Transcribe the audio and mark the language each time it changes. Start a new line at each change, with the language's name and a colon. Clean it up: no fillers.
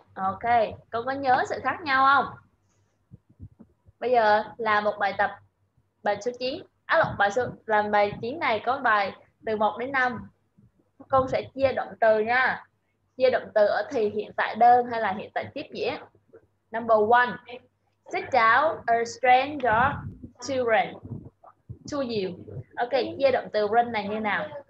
Vietnamese: Ok, con có nhớ sự khác nhau không? Bây giờ là một bài tập, bài số 9. À lộn, bài số, làm bài 9 này có bài từ 1 đến 5. Con sẽ chia động từ nha. Chia động từ ở thì hiện tại đơn hay là hiện tại tiếp diễn.
English: Number 1. Sit down a stranger to run to you.
Vietnamese: Ok, chia động từ run này như nào?